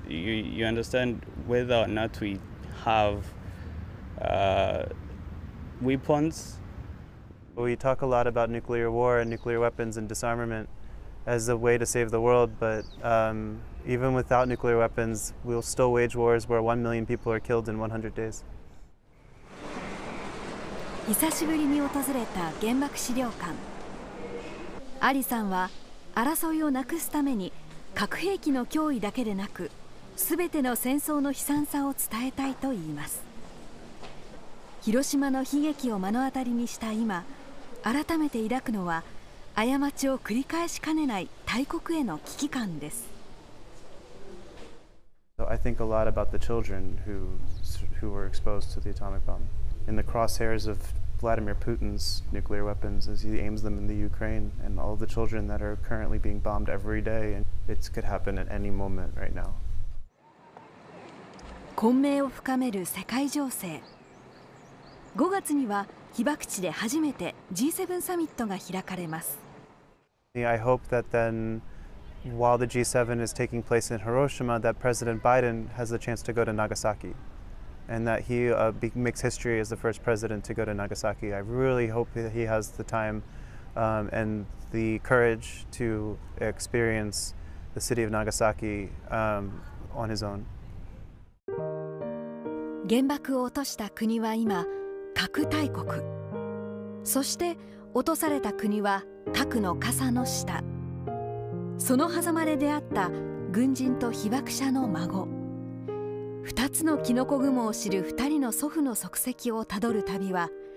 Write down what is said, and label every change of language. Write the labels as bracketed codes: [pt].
[en] You understand whether or not we have weapons? We talk a lot about nuclear war and nuclear weapons and disarmament. As a way to save the world, but even without nuclear weapons, we'll still wage wars where 1 million people are killed in 100 days. [ja] 久しぶりに訪れた原爆資料館。アリさんは争いをなくすために核兵器の脅威だけでなく、すべての戦争の悲惨さを伝えたいと言います。広島の悲劇を目の当たりにした今、改めて抱くのは。過ちを繰り返しかねない大国への危機感です。 [en] So I think a lot about the children who were exposed to the atomic bomb in the crosshairs of Vladimir Putin's nuclear weapons as he aims them in the Ukraine and all the children that are currently being bombed every day and it could happen at any moment right now. [ja] 混迷を深める世界情勢。 5月には被爆地で初めて G7 サミットが開かれます。 [en] I hope that then, while the G7 is taking place in Hiroshima, that President Biden has the chance to go to Nagasaki, and that he makes history as the first president to go to Nagasaki. I really hope that he has the time and the courage to experience the city of Nagasaki on his own. [ja] 原爆を落とした国は今核大国。そして落とされた国は。核の傘の下、その狭間で出会った軍人と被爆者の孫、二つのキノコ雲を知る二人の祖父の足跡をたどる旅は、